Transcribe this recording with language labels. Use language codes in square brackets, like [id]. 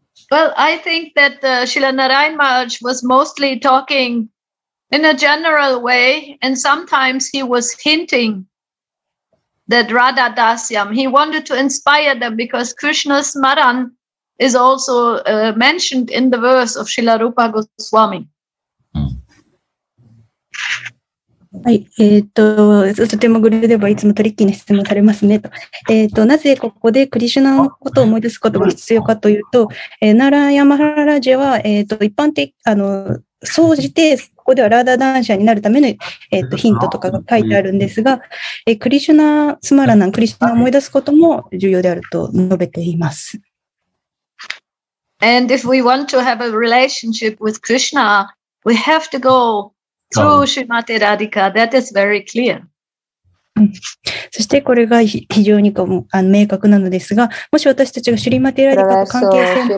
[en] Well, I think that Srila Narayan Maharaj was mostly talking in a general way, and sometimes he was hinting that Radha Dasyam, he wanted to inspire them because Krishna Smaran,is also mentioned in the verse of Srila Rupa Goswami. [ja] はい、とてもグルではいつもトリッキーな質問されますねと。なぜここでクリシュナのことを思い出すことが必要かというと、ナラヤマハラジェは、一般的、総じて、ここではラーダダンシャになるための、ヒントとかが書いてあるんですが、クリシュナスマラナン、クリシュナを思い出すことも重要であると述べています。 [en] And if we want to have a relationship with Krishna, we have to go through Srimati Radhika. That is very clear. [ja] そしてこれが非常にこう明確なのですが、もし私たちがシュリマテラディカと関係性